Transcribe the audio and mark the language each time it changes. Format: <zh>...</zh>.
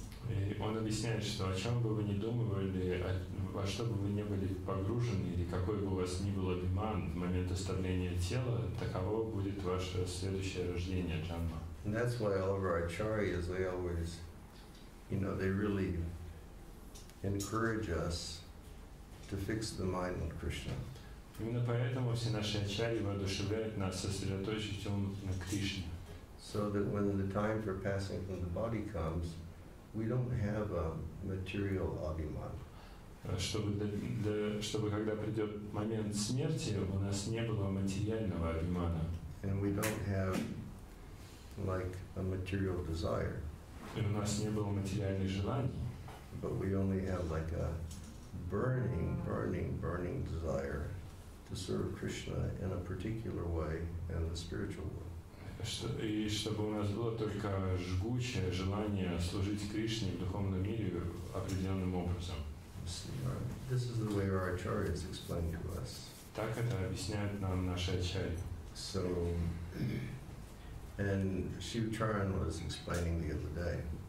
<ru>И он объясняет, что о чем бы вы ни думали, во что бы вы ни были погружены, или какой бы у вас ни был обиман в момент оставления тела, таково будет ваше следующее рождение, джанма.</ru> <en>And that's why all of our acharyas, they always, you know, they really encourage us to fix the mind on Krishna.</en> <ru>Именно поэтому все наши ачарьи воодушевляют нас сосредоточить ум на Кришне.</ru> <en>So that when the time for passing from the body comes, we don't have a material abhiman.</en> <ru>Чтобы когда придет момент смерти, у нас не было материального абимана.</ru> <en>And we don't have like a material desire.</en> <ru>И у нас не было материальных желаний.</ru> <en>But we only have like a burning, burning, burning desire to serve Krishna in a particular way in the spiritual world.</en> <ru>И чтобы у нас было только жгучее желание служить Кришне в духовном мире определенным образом.</ru> <en>This is the way our acharyas explain to us.</en> <ru>Так это объясняет нам наши ачарьи.</ru> <en>So, and Shivacharan was explaining the other day.</en>